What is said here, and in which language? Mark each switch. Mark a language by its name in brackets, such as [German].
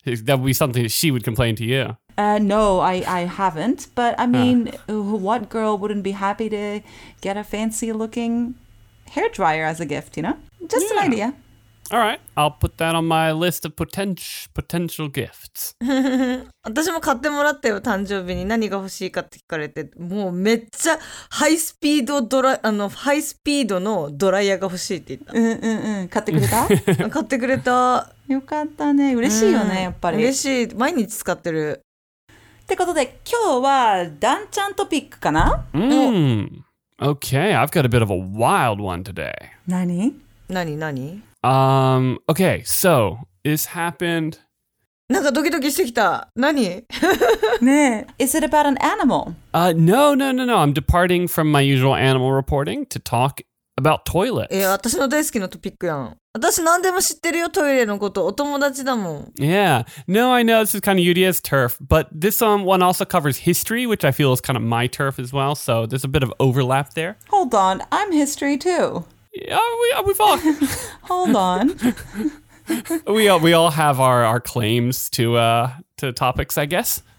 [English] That would be something that she would complain to you. No, I haven't. But I mean, what girl wouldn't be happy to get a fancy looking hair dryer as a gift, you know? Just an idea. All right. I'll put that on my list of potential gifts. [Japanese] 私も買ってもらったよ、誕生日に。何が欲しいかって聞かれて、もうめっちゃハイスピードドラ、あの、ハイスピードのドライヤーが欲しいって言った。買ってくれた？買ってくれた。よかったね。嬉しいよね、やっぱり。嬉しい。毎日使ってる。ってことで、今日はダンちゃんトピックかな？ [English] Okay, I've got a bit of a wild one today. [Japanese] 何？ [English] Okay, so this happened. [Japanese] なんかドキドキしてきた。何？ [English] ねえ。Is it about an animal? No. I'm departing from my usual animal reporting to talk About toilets. Yeah, [Japanese] 私の大好きなトピックやん。私何でも知ってるよ、トイレのこと。お友達だもん。 [English] Yeah. No, I know this is kind of Yuria's turf, but this one also covers history, which I feel is kind of my turf as well, so there's a bit of overlap there. Hold on. I'm history too. Yeah, we've all... Hold on. we all have our claims to topics, I guess.